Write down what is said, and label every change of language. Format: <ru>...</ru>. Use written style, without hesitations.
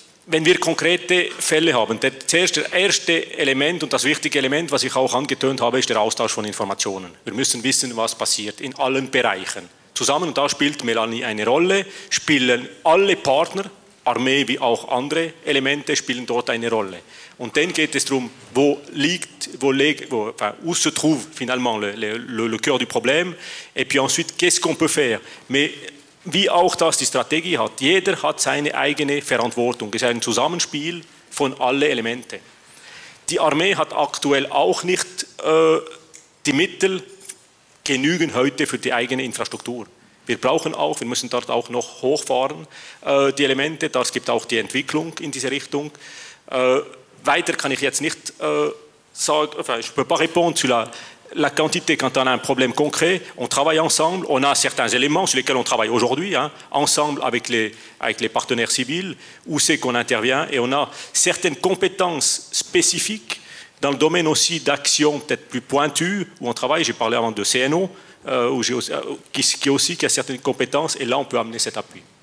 <de>Wenn wir konkrete Fälle haben, das erste Element und das wichtige Element, was ich auch angetönt habe, ist der Austausch von Informationen. Wir müssen wissen, was passiert in allen Bereichen. Zusammen, und da spielt Melanie eine Rolle, spielen alle Partner, Armee wie auch andere Elemente, spielen dort eine Rolle. Und dann geht es darum,</de> <fr>où se trouve finalement le cœur du problème, et puis ensuite, qu'est-ce qu'on peut faire?</fr> <de>Wie auch das die Strategie hat. Jeder hat seine eigene Verantwortung. Es ist ein Zusammenspiel von allen Elementen. Die Armee hat aktuell auch nicht die Mittel genügend heute für die eigene Infrastruktur. Wir müssen dort auch noch hochfahren, die Elemente. Das gibt auch die Entwicklung in diese Richtung. Weiter kann ich jetzt nicht sagen,</de> <fr>enfin, je peux pas répondre sur la quantité, quand on a un problème concret, on travaille ensemble, on a certains éléments sur lesquels on travaille aujourd'hui, hein, ensemble avec les partenaires civils, où c'est qu'on intervient, et on a certaines compétences spécifiques dans le domaine aussi d'action peut-être plus pointue, où on travaille, j'ai parlé avant de CNO, qui a certaines compétences, et là on peut amener cet appui.</fr>